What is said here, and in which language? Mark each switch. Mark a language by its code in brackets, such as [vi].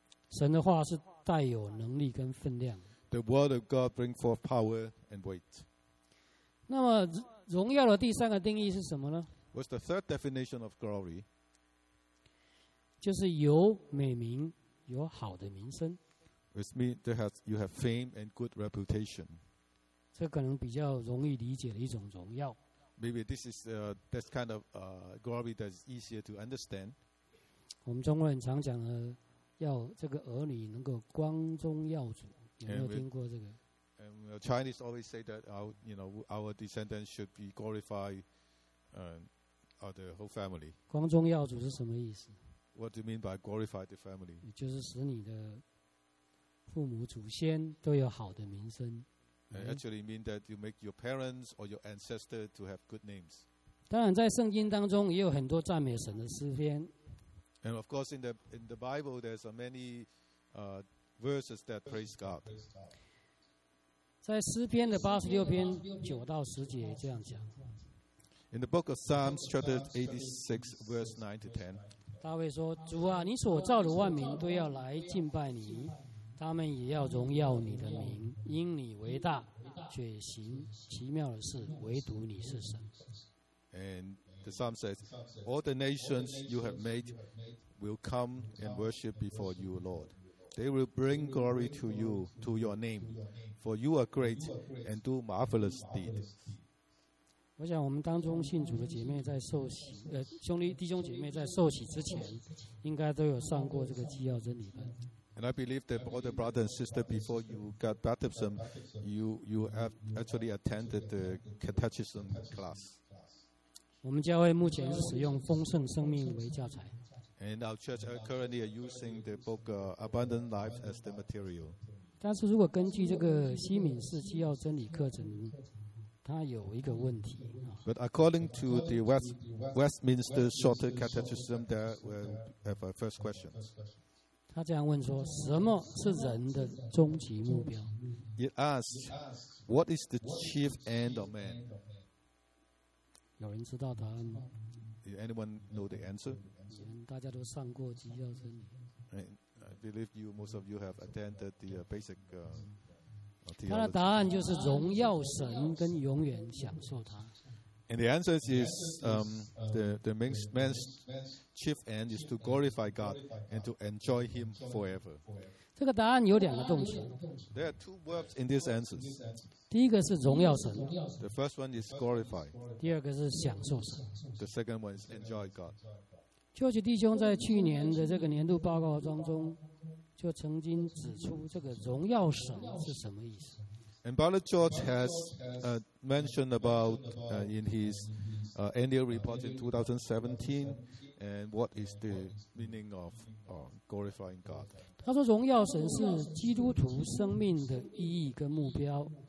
[zh] 神的话是带有能力跟分量。 [en] The word of God brings forth power and weight. [zh] 那么荣耀的第三个定义是什么呢？ [en] What's the third definition of glory? [zh] 就是有美名，有好的名声。 [en] Which means you have fame and good reputation. [zh] 这可能比较容易理解的一种荣耀。 [en] Maybe this is that kind of glory that is easier to understand. [zh] 我们中国人常讲的要这个儿女能够光宗耀祖，有没有听过这个？ [en] And Chinese always say that our descendants should be glorified, of the whole family. [zh] 光宗耀祖是什么意思？ [en] What do you mean by glorify the family? [zh] 就是使你的父母祖先都有好的名声。 [en] Actually mean that you make your parents or your ancestors to have good names. [zh] 当然，在圣经当中也有很多赞美神的诗篇。 [en] And of course, in the Bible, there's many verses that praise God. [zh] 在诗篇的八十六篇九到十节这样讲。 [en] In the book of Psalms, chapter 86, verse 9 to 10. [zh] 大卫说：“主啊，你所造的万民都要来敬拜你，他们也要荣耀你的名，因你为大，却行奇妙的事，唯独你是神。” [en] And the psalm says, all the nations you have made will come and worship before you, Lord. They will bring glory to you, to your name, for you are great and do marvelous deeds. [zh] 我想我们当中信主的姐妹在受洗，弟兄姐妹在受洗之前，应该都有上过这个纪要真理班。 [en] And I believe that all the brothers and sisters, before you got baptism, you have actually attended the catechism class. [zh] 我们教会目前是使用丰盛生命为教材。 [en] And our church are currently using the book Abundant Life as the material. [zh] 但是如果根据这个西敏寺纪要真理课程，它有一个问题。 [en] But according to the Westminster Shorter Catechism, there will have a first question. [zh] 他这样问说：什么是人的终极目标 [en] ？It asks, what is the chief end of man? [zh] 有人知道答案吗？ [en] Did anyone know the answer? [zh] 大家都上过基要真理。 [en] I believe you, most of you have attended the basic theology. [zh] 他的答案就是荣耀神跟永远享受他。 [en] And the answer is the man's chief end is to glorify God and to enjoy Him forever. [zh] 这个答案有两个动词。 [en] There are two verbs in this answer. [zh] 第一个是荣耀神。 [en] The first one is glorify. [zh] 第二个是享受神。 [en] The second one is enjoy God. [zh] 教会弟兄在去年的这个年度报告当中，就曾经指出这个荣耀神是什么意思。 [en] And Brother George has mentioned about in his annual report in 2017, and what is the meaning of glorifying God? [zh] 他说荣耀神是基督徒生命的意义跟目标。